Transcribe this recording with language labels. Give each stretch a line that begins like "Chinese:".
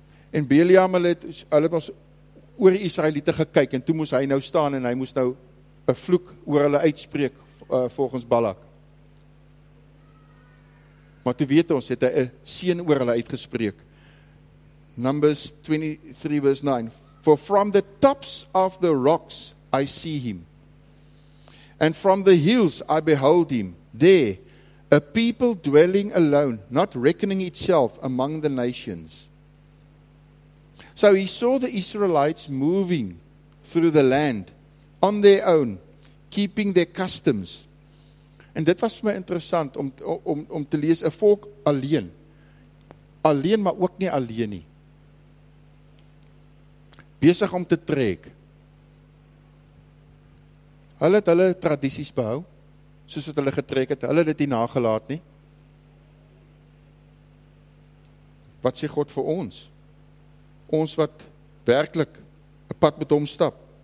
Afrikaans: En Bileam, hulle was oor die Israeliete gekyk, en toe moes hy nou staan, en hy moes nou 'n vloek oor hulle uitspreek, volgens Balak. Maar toe weet ons, het hy 'n seën oor hulle uitgespreek.
English: Numbers 23 verse 9. For from the tops of the rocks I see him, and from the hills I behold him. There, a people dwelling alone, not reckoning itself among the nations. So he saw the Israelites moving through the land on their own, keeping their customs.
Afrikaans: En dit was my interessant om te lees, 'n volk alleen. Alleen, maar ook nie alleen nie. Besig om te trek. Hulle het hulle tradities behou, soos wat hulle getrek het, hulle het dit nie nagelaat nie. Wat sê God vir ons? Ons wat werklik een pad met hom stap.